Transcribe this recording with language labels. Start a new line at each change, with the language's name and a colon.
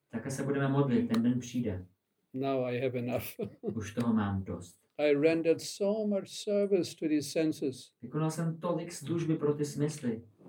Czech: Tak se budeme modlit, ten den přijde.
English: Now I have enough.
Czech: Už toho mám dost.
English: I rendered so much service to these senses.
Czech: Vykonal jsem tolik služby pro ty smysly.